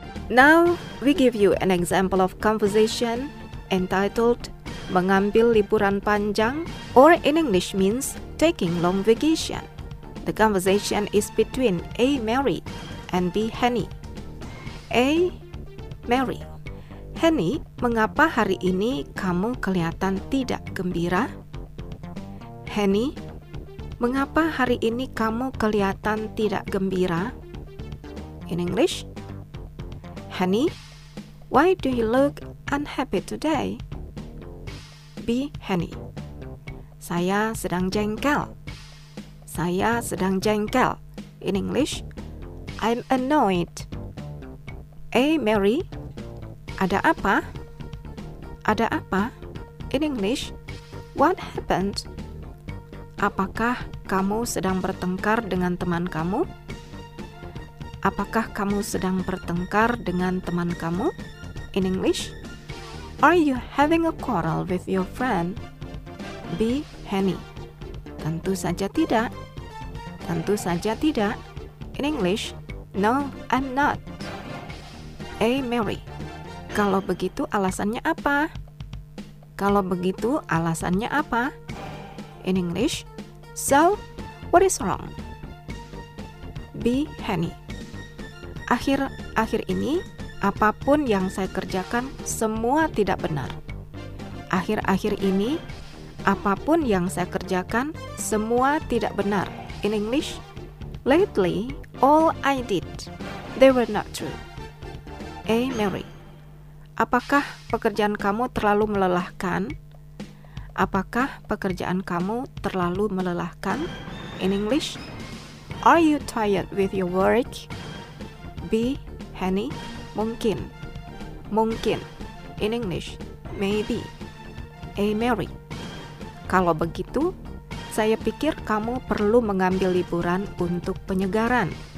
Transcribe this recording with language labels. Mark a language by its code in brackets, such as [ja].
[en] Now, we give you an example of conversation entitled Mengambil Liburan Panjang, or in English means taking long vacation. The conversation is between A. Mary and B. Henny. A. Mary. [id] Henny, mengapa hari ini kamu kelihatan tidak gembira? Henny, mengapa hari ini kamu kelihatan tidak gembira? [en] In English, Henny, why do you look unhappy today? [id] B. Henny, saya sedang jengkel. Saya sedang jengkel. [en] In English, I'm annoyed. A. [id] Mary, ada apa? Ada apa? [en] In English, what happened? [id] Apakah kamu sedang bertengkar dengan teman kamu? Apakah kamu sedang bertengkar dengan teman kamu? [en] In English, are you having a quarrel with your friend? [id] B. Henny, tentu saja tidak. Tentu saja tidak. [en] In English, no, I'm not. A. [id] Mary, kalau begitu alasannya apa? Kalau begitu alasannya apa? [en] In English, so, what is wrong? B. [id] Henny, akhir-akhir ini, apapun yang saya kerjakan, semua tidak benar. Akhir-akhir ini, apapun yang saya kerjakan, semua tidak benar. [en] In English, lately, all I did, they were not true. A. [id] Mary, apakah pekerjaan kamu terlalu melelahkan? Apakah pekerjaan kamu terlalu melelahkan? [en] In English, are you tired with your work? [id] B. Henny, mungkin. Mungkin. [en] In English, maybe. [id] A. Mary, kalau begitu, saya pikir kamu perlu mengambil liburan untuk penyegaran.